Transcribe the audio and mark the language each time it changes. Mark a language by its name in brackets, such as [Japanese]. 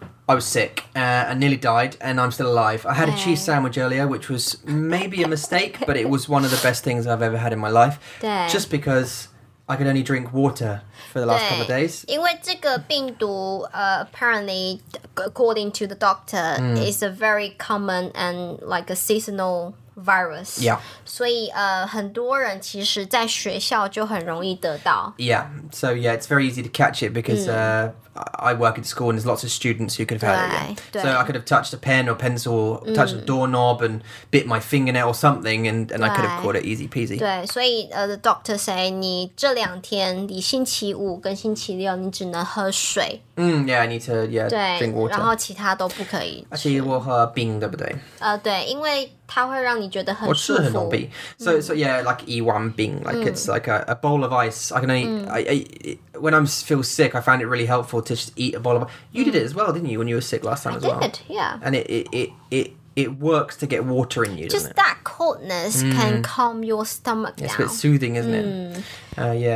[English] I was sick and nearly died, and I'm still alive. I had a cheese sandwich earlier, which was maybe a mistake, but it was one of the best things I've ever had in my life. Just because I could only drink water for the last couple of days. [Chinese] 因为这个病毒 [English] apparently, according to the doctor, is a very common and like a seasonal virus. Yeah. [Chinese] 所以很多人其实在学校就很容易得到。 [English] Yeah. So yeah, it's very easy to catch it because I work at school and there's lots of students who could have had it. So I could have touched a pen or pencil, touched a doorknob and bit my fingernail or something and I could have caught it easy peasy. [Chinese] 对，所以 [English] the doctor say [Chinese] 你这两天，你星期五跟星期六你只能喝水。 [English] Yeah, I need to, drink water. [Chinese] 然后其他都不可以吃。而且我喝冰，对不对？对，因为它会让你觉得很舒服。我吃很多冰。 [English] So yeah, like [Chinese] 一碗冰, [English] like it's like a bowl of ice. I can only, when I feel sick, I found it really helpful to just eat a bowl of... You did it as well, didn't you, when you were sick last time as well? I did, yeah. And it works to get water in you, just doesn't it? Just that coldness can calm your stomach down. It's a bit soothing, isn't it? Yeah.